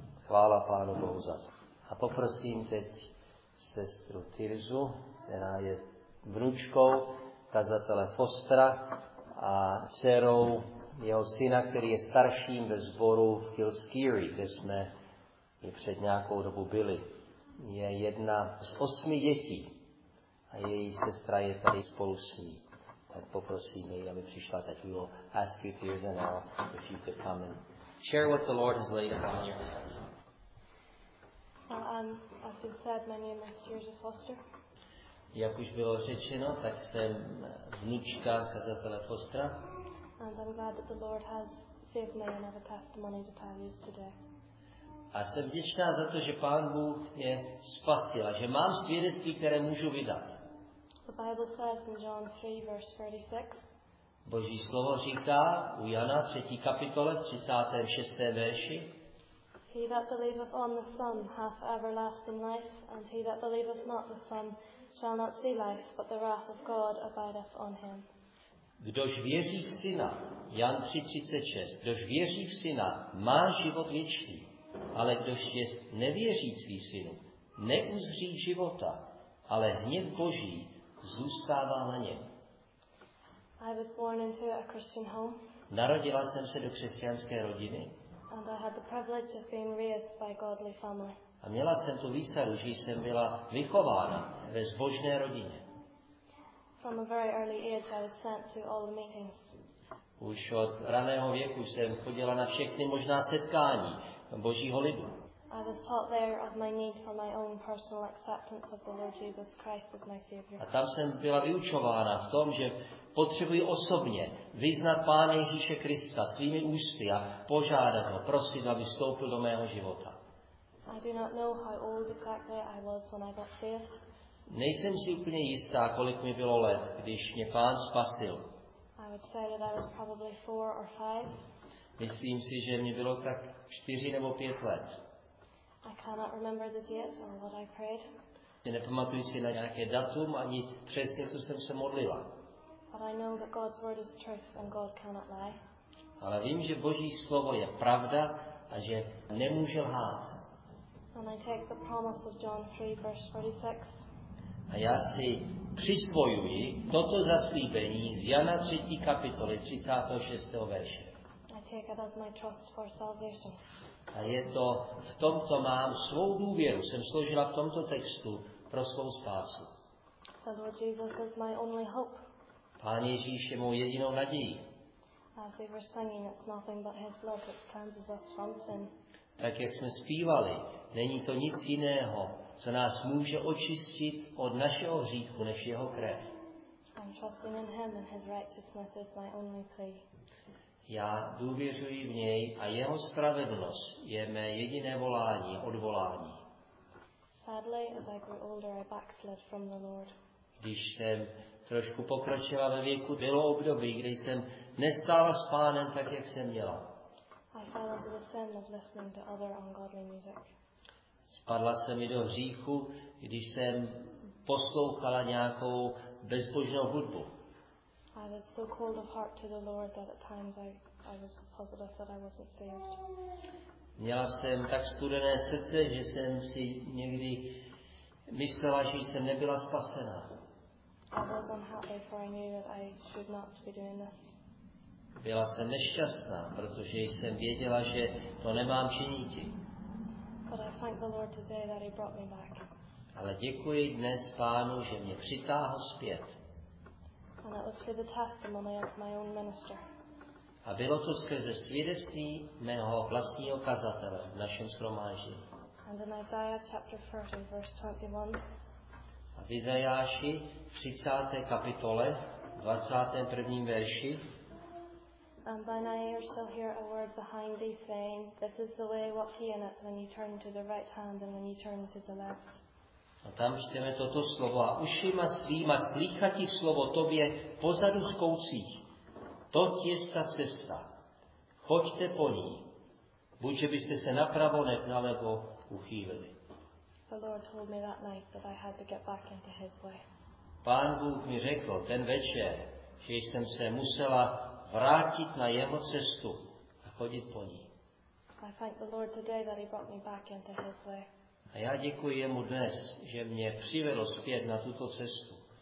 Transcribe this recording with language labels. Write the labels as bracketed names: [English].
[Czech] Chvála Pánu Bohu za to. A poprosím teď sestru Tirzu, která je vnučkou kazatele Fostra a dcerou jeho syna, který je starším ve sboru v Kilskerry, kde jsme i před nějakou dobu byli. Je jedna z 8 dětí. A její sestra je tady spolu s ní. Tak poprosím jej, aby přišla. Tak [English] we will ask you, Tirza, now, if you could come and share what the Lord has laid upon your heart. As you said, my name is Tirza Foster. [Czech] Jak už bylo řečeno, tak jsem vnučka kazatele Fostra. [English] And I'm glad that the Lord has saved me and have a testimony to tell you today. [Czech] A jsem vděčná za to, že Pán Bůh mě spasil a že mám svědectví, které můžu vydat. [English] The Bible says in John 3, verse 36. [Czech] Boží slovo říká u Jana 3. kapitole 36. verši. [English] He that believeth on the Son hath everlasting life, and he that believeth not the Son shall not see life, but the wrath of God abideth on him. [Czech] Kdož věří v Syna, Jan 3:36, kdož věří v Syna, má život věčný, ale kdož je nevěřící Synu, neuzří života, ale hněv Boží zůstává na něm. [English] I was born into a Christian home. [Czech] Narodila jsem se do křesťanské rodiny. [English] And I had the privilege of being raised by godly family. [Czech] A měla jsem tu výsadu, že jsem byla vychována ve zbožné rodině. [English] From a very early age I was sent to all the meetings. [Czech] Už od raného věku jsem chodila na všechny možná setkání Božího lidu. [English] I was taught there of my need for my own personal acceptance of the Lord Jesus Christ as my Savior. [Czech] A tam jsem byla vyučována v tom, že potřebuji osobně vyznat Pána Ježíše Krista svými ústy a požádat ho, prosit, aby vstoupil do mého života. [English] I do not know how old exactly I was when I got saved. [Czech] Nejsem si úplně jistá, kolik mi bylo let, když mě Pán spasil. [English] I would say that I was probably 4 or 5. [Czech] Myslím si, že mi bylo tak 4 nebo 5 let. [English] I cannot remember the date or what I prayed. [Czech] Nepamatuji si na nějaké datum ani přesně, co jsem se modlila. [English] But I know that God's word is truth and God cannot lie. [Czech] Ale vím, že Boží slovo je pravda a že nemůže lhát. [English] And I take the promise of John 3, verse 36. [Czech] A já si přisvojuji toto zaslíbení z Jana 3. kapitoly 36. verše. [English] I take it as my trust for salvation. [Czech] A je to, v tomto mám svou důvěru, jsem složila v tomto textu pro svou spásu. [English] The Lord Jesus is my only hope. [Czech] Pán Ježíš je mou jedinou nadějí. [English] As we were singing, it's nothing but his love that cleanses us from sin. [Czech] Tak jak jsme zpívali, není to nic jiného, co nás může očistit od našeho hříchu, než jeho krev. [English] I'm trusting in him and his righteousness is my only plea. [Czech] Já důvěřuji v něj a jeho spravedlnost je mé jediné volání, odvolání. [English] Sadly, as I grew older, I backslid from the Lord. [Czech] Když jsem trošku pokročila ve věku, bylo období, kdy jsem nestála s Pánem tak, jak jsem měla. [English] I fell into the sin of listening to other ungodly music. [Czech] Spadla jsem i do hříchu, když jsem poslouchala nějakou bezbožnou hudbu. [English] I was so cold of heart to the Lord that at times I was positive that I wasn't saved. [Czech] Měla jsem tak studené srdce, že jsem si někdy myslela, že jsem nebyla spasena. [English] I was unhappy, for I knew that I should not be doing this. [Czech] Byla jsem nešťastná, protože jsem věděla, že to nemám činit. [English] But I thank the Lord today that he brought me back. [Czech] Ale děkuji dnes Pánu, že mě přitáhl zpět. [English] And it was through the testimony of my own minister. [Czech] A bylo to skrze svědectví mého vlastního kazatele v našem shromáždění. [English] And in Isaiah chapter 30, verse 21. [Czech] A v Izajáši 30. kapitole, 21. verši. [English] And by now you shall hear a word behind thee saying, this is the way, walk ye in it when you turn to the right hand and when you turn to the left. [Czech] A tam čteme toto slovo a ušima svýma slýchatí slovo tobě pozadu skoucích. To je ta cesta. Choďte po ní. Buď, že byste se napravo nebo nalevo uchýlili. [English] The Lord told me that night that I had to get back into his way. [Czech] Pán Bůh mi řekl ten večer, že jsem se musela vrátit na jeho cestu a chodit po ní. [English] I thank the Lord today that he brought me back into his way. [Czech] A já děkuji jemu dnes, že mě přivedl zpět na tuto cestu.